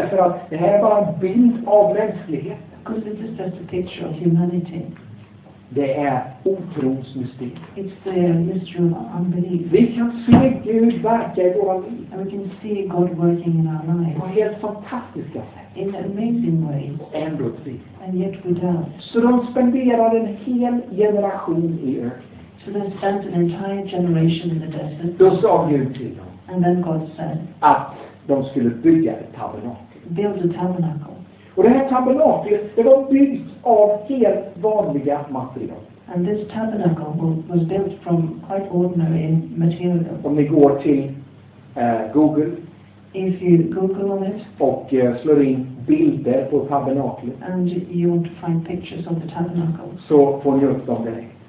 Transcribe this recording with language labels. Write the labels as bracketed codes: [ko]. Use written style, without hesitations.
[sv] Därför att det här är bara en bild av mänsklighet. [en] Because it is just a picture of humanity. [sv] Det är otrons mystik. [en] It's the mystery of unbelief. [sv] Vi kan se Gud verka i våra liv. [en] And we can see God working in our lives. [sv] På helt fantastiska sätt. [en] In amazing ways. [sv] Ändå vi. [en] And yet we don't. [sv] Så de spenderar en hel generation i öknen. [en] So they spent an entire generation in the desert. [sv] Då sa Gud till dem. [en] And then God said. [sv] Att de skulle bygga ett tabernakel. [en] Build a tabernacle. [sv] Och det här tabernaklet, det var byggt av helt vanliga material. [en] And this tabernacle was built from quite ordinary material. [sv] Om ni går till Google. [en] If you Google on it. [sv] Och slår in bilder på tabernaklet. [en] And you want to find pictures of the tabernacle. [sv] Så får ni upp dem direkt.